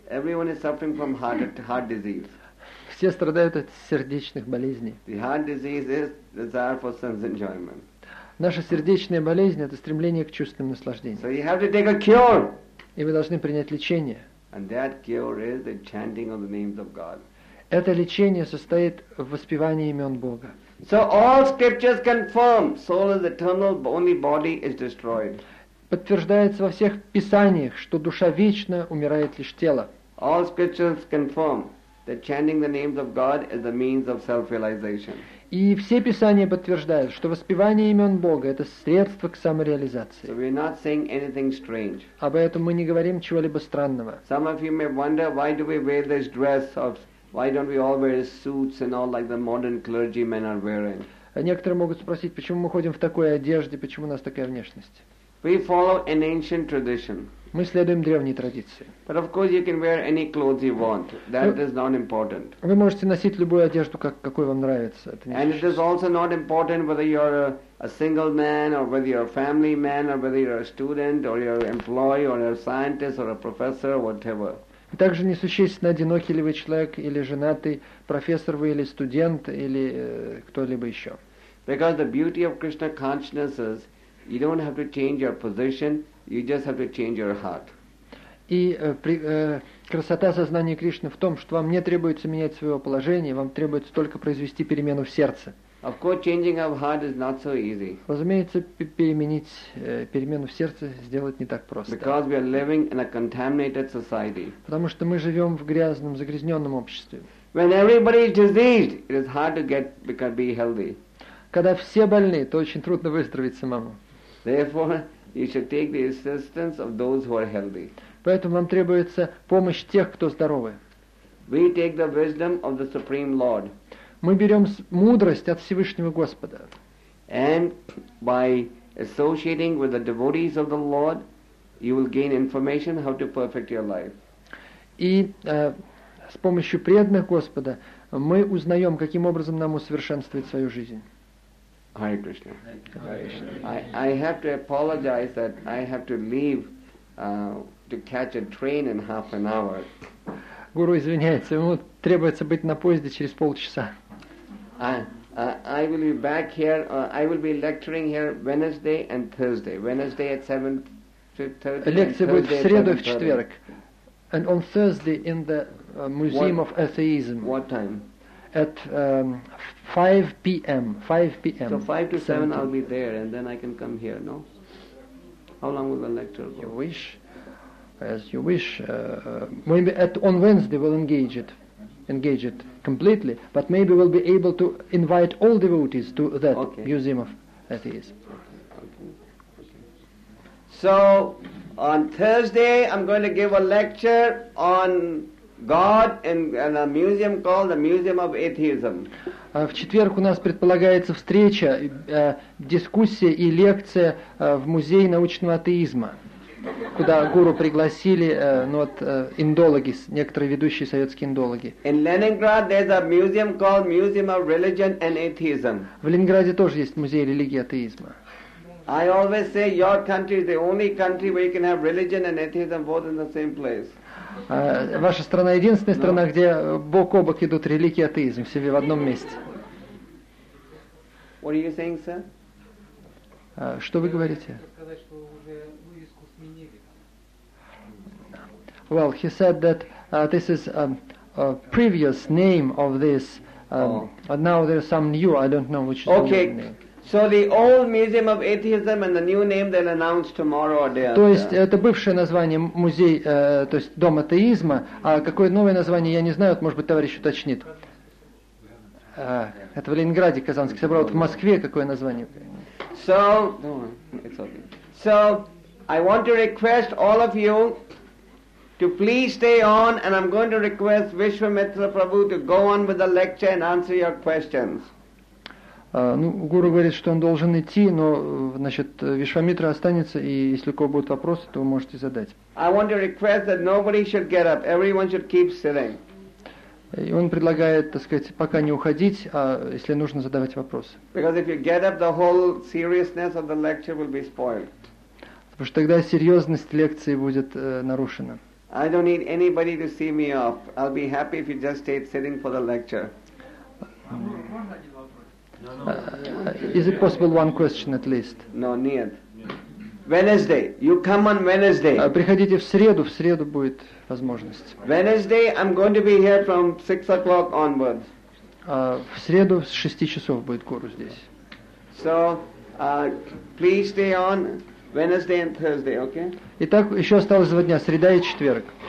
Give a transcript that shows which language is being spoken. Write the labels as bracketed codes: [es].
[en] Everyone is suffering from heart disease. [ru] Все страдают от сердечных болезней. [en] The heart disease is desire for sense enjoyment. [ru] Наша сердечная болезнь – это стремление к чувственным наслаждениям. [en] So you have to take a cure. [ru] И вы должны принять лечение. [en] And that cure is the chanting of the names of God. [ru] Это лечение состоит в воспевании имен Бога. [en] So all scriptures confirm, soul is eternal, only body is destroyed. [ru] Подтверждается во всех писаниях, что душа вечна, умирает лишь тело. [en] All scriptures confirm. That chanting the names of God is a means of self-realization. [ru] И все писания подтверждают, что воспевание имен Бога это средство к самореализации. [en] So we are not saying anything strange. [ru] Об этом мы не говорим чего-либо странного. [en] Some of you may wonder why do we wear this dress of why don't we all wear suits and all like the modern clergymen are wearing? [ru] Некоторые могут спросить, почему мы ходим в такой одежде, почему у нас такая внешность? [en] We follow an ancient tradition. [ru] Мы следуем древней традиции. [en] But of course you can wear any clothes you want. That is not important. [ru] Вы можете носить любую одежду, какой вам нравится. [en] And it is also not important whether you are a single man or whether you are a family man or whether you are a student or you are an employee or you are a scientist or a professor or whatever. [ru] И также несущественно, одинокий ли вы человек или женатый, профессор вы или студент или кто-либо еще. [en] Because the beauty of Krishna consciousness is you don't have to change your position, you just have to change your heart. [ru] И красота сознания Кришны в том, что вам не требуется менять своего положения, вам требуется только произвести перемену в сердце. [en] Of course, changing our heart is not so easy. [ru] Разумеется, перемену в сердце сделать не так просто. [en] Because we are living in a contaminated society. [ru] Потому что мы живем в грязном, загрязненном обществе. [en] When everybody is diseased, it is hard to get because be healthy. [ru] Когда все больны, то очень трудно выздороветь самому. [en] Therefore, you should take the assistance of those who are healthy. [ru] Поэтому вам требуется помощь тех, кто здоровы. [en] We take the wisdom of the Supreme Lord. [ru] Мы берем мудрость от Всевышнего Господа. [en] And by associating with the devotees of the Lord, you will gain information how to perfect your life. [ru] И с помощью преданных Господа мы узнаем, каким образом нам усовершенствовать свою жизнь. [en] Hare Krishna. I have to apologize that I have to leave to catch a train in half an hour. [ru] Гуру извиняется, ему требуется быть на поезде через полчаса. [en] I will be back here. I will be lecturing here Wednesday and Thursday. Wednesday at 7:30. [ru] Лекция будет в среду и в четверг. [en] And on Thursday in the Museum of Atheism. What time? At 5 p.m. So 5 to 7, I'll be there, and then I can come here. No. How long will the lecture go? You wish, as you wish. Maybe on Wednesday we'll engage it. Engage it completely, but maybe we'll be able to invite all devotees to that Museum of Atheism. So, on Thursday, I'm going to give a lecture on God in a museum called the Museum of Atheism. [ru] В четверг у нас предполагается встреча, дискуссия и лекция в музее научного атеизма, куда гуру пригласили индологи, некоторые ведущие советские индологи. [en] In Leningrad there's a museum called Museum of Religion and Atheism. [ru] В Ленинграде тоже есть музей религии и атеизма. [en] I always say your country is the only country where you can have religion and atheism both in the same place. [ru] Ваша страна единственная страна, где бок о бок идут религия и атеизм в себе в одном месте. [en] What are you saying, sir? [ru] Что вы говорите? [en] Well, he said that this is a previous name of this, and now there's some new, I don't know which is okay. The new name. Okay, so the old Museum of Atheism and the new name they'll announce tomorrow or day after. [ru] То есть это бывшее название музей, то есть дом атеизма, а какое новое название, я не знаю, может быть, товарищ уточнит. Это в Ленинграде, Казанский собрал, в Москве какое название? [en] So, I want to request all of you to please stay on, and I'm going to request Vishwamitra Prabhu to go on with the lecture and answer your questions. [ru] Гуру говорит, что он должен идти, но значит Вишвамитра останется, и если у кого будут вопросы, то вы можете задать. [en] I want to request that nobody should get up. Everyone should keep sitting. [ru] И он предлагает, так сказать, пока не уходить, а если нужно задавать вопросы. [en] Because if you get up, the whole seriousness of the lecture will be spoiled. [ru] Потому что тогда серьезность лекции будет нарушена. [en] I don't need anybody to see me off. I'll be happy if you just stayed sitting for the lecture. Is it possible one question at least? No, нет. Wednesday, you come on Wednesday. [ru] Приходите в среду будет возможность. [en] Wednesday, I'm going to be here from 6 o'clock onwards. [ru] В среду с 6 часов будет гуру здесь. [en] So, please stay on Wednesday and Thursday, okay? [ru] Итак, еще осталось 2 дня, среда и четверг.